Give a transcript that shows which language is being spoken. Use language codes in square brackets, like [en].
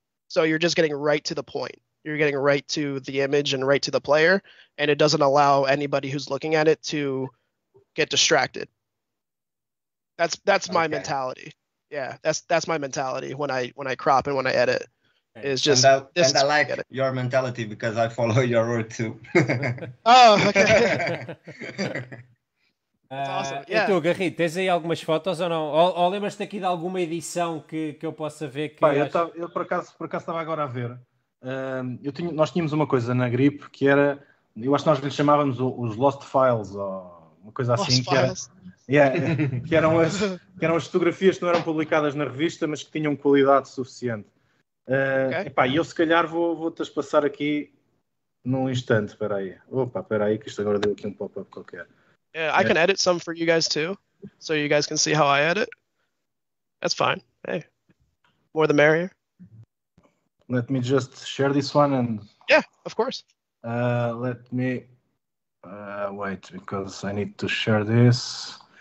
[en] So you're just getting right to the point. You're getting right to the image and right to the player, and it doesn't allow anybody who's looking at it to get distracted. That's my mentality. Yeah, that's my mentality when I crop and when I edit. It's just and I like your mentality because I follow your route too. Oh, okay. That's awesome. Yeah. [pt] E tu, Garrido, tens aí algumas fotos ou não? Ou lembras-te aqui de alguma edição que eu possa ver? Eu por acaso estava agora a ver. Nós tínhamos uma coisa na grip que era, eu acho que nós lhe chamávamos os Lost Files ou uma coisa assim, que eram as fotografias que não eram publicadas na revista, mas que tinham qualidade suficiente. Okay. Epá, eu se calhar vou-te passar aqui num instante, espera aí. Opa, espera aí, que isto agora deu aqui um pop-up qualquer. [en] Yeah, I can edit some for you guys too, so you guys can see how I edit. That's fine. Hey, more the merrier. Let me just share this one and... Yeah, of course. Let me... wait, because I need to share this.